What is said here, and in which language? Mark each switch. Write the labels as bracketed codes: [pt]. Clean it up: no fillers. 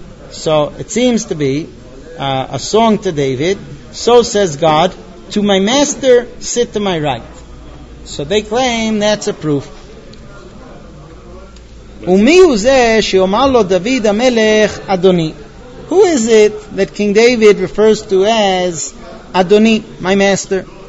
[en] So it seems to be a song to David. So says God, to my master, sit to my right. So they claim that's a proof. [he] ומי הוא זה שיאמר לו דוד המלך אדוני? [en] Who is it that King David refers to as אדוני, my master?